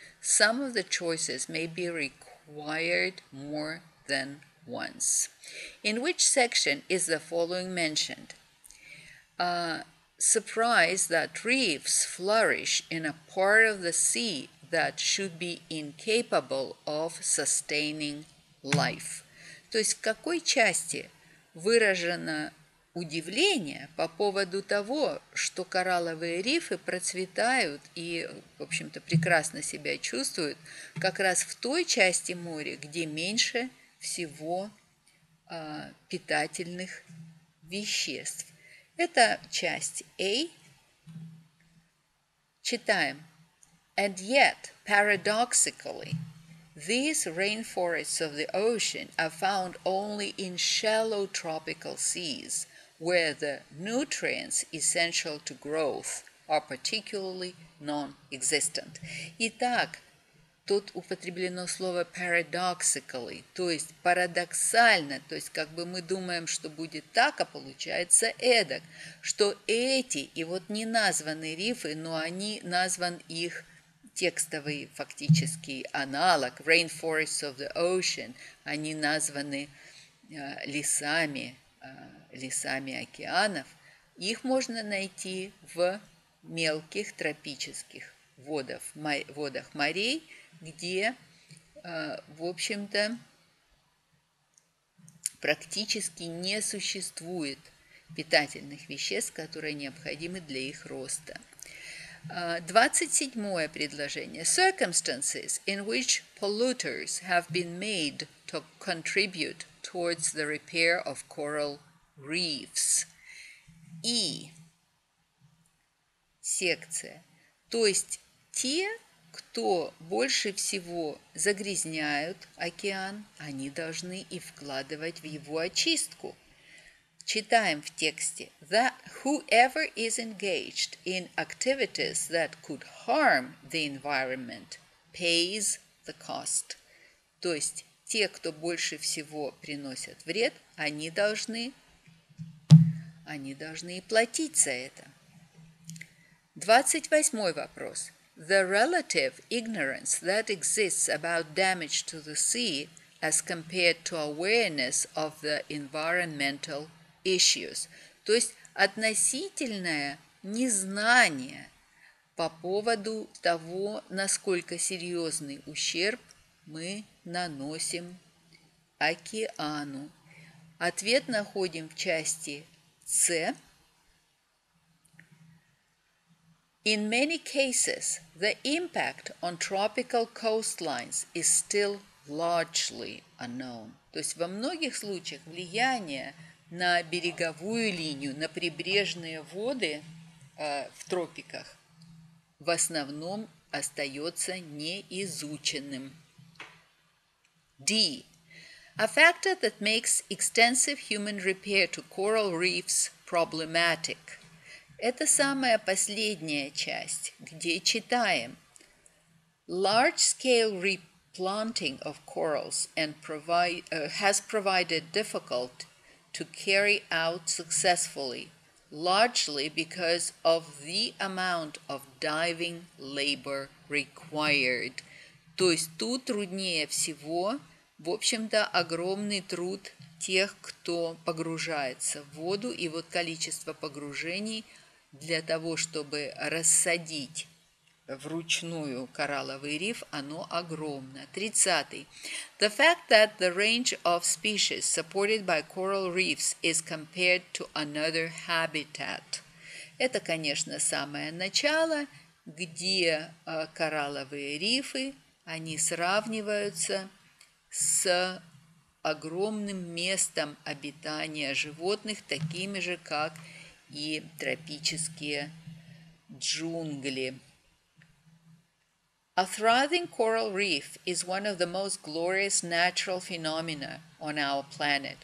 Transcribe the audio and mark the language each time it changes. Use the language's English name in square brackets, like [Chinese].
[English] Some of the choices may be required more than once. In which section is the following mentioned? Surprise that reefs flourish in a part of the sea that should be incapable of sustaining life. [Russian] То есть в какой части выражено удивление по поводу того, что коралловые рифы процветают и, в общем-то, прекрасно себя чувствуют как раз в той части моря, где меньше всего питательных веществ. Это часть A. Читаем. [English] And yet, paradoxically, these rainforests of the ocean are found only in shallow tropical seas, where the nutrients essential to growth are particularly non-existent. [Russian] Итак, тут употреблено слово paradoxically, то есть парадоксально, то есть как бы мы думаем, что будет так, а получается эдак, что эти, и вот не названы рифы, но они назван их текстовый фактический аналог, [English] rainforests of the ocean, [Russian] они названы лесами, лесами океанов, их можно найти в мелких тропических водах морей, где, в общем-то, практически не существует питательных веществ, которые необходимы для их роста. 27-е предложение. [English] Circumstances in which polluters have been made to contribute towards the repair of coral reefs. [Russian] И секция. То есть те, кто больше всего загрязняют океан, они должны и вкладывать в его очистку. Читаем в тексте. [English] That whoever is engaged in activities that could harm the environment pays the cost. [Russian] То есть те, кто больше всего приносят вред, они должны платить за это. 28-й вопрос. [English] The relative ignorance that exists about damage to the sea as compared to awareness of the environmental issues. [Russian] То есть относительное незнание по поводу того, насколько серьезный ущерб мы наносим океану. Ответ находим в части С. [English] In many cases, the impact on tropical coastlines is still largely unknown. [Russian] То есть во многих случаях влияние на береговую линию, на прибрежные воды в тропиках в основном остается неизученным. [English] D. A factor that makes extensive human repair to coral reefs problematic. [Russian] Это самая последняя часть, где читаем. [English] Large-scale replanting of corals and has provided difficult to carry out successfully, largely because of the amount of diving labor required. [Russian] То есть тут труднее всего, в общем-то, огромный труд тех, кто погружается в воду, и вот количество погружений для того, чтобы рассадить вручную коралловый риф, оно огромно. 30. [English] The fact that the range of species supported by coral reefs is compared to another habitat. [Russian] Это, конечно, самое начало, где коралловые рифы, они сравниваются с огромным местом обитания животных, такими же, как и тропические джунгли. [English] A thriving coral reef is one of the most glorious natural phenomena on our planet.